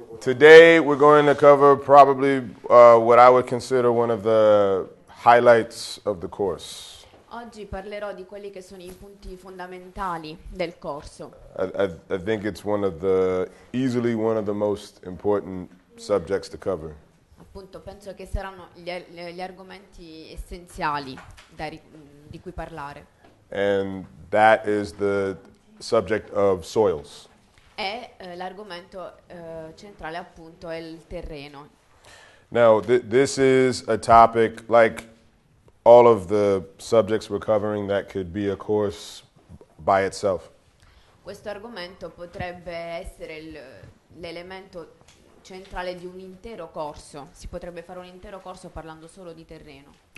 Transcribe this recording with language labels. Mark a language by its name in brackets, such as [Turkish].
[English] Today we're going to cover probably what I would consider one of the highlights of the course. [Italian] Oggi parlerò di quelli che sono I punti fondamentali del corso. [English] I think it's one of the easily one of the most important subjects to cover. [Italian] Appunto, penso che saranno gli argomenti essenziali di cui parlare. [English] And that is the subject of soils. [Italian] E l'argomento centrale appunto è il terreno. [English] Now, this is a topic like all of the subjects we're covering that could be a course by itself. [Italian] Questo argomento potrebbe essere l'elemento centrale di un intero corso. Si potrebbe fare un intero corso parlando solo di terreno.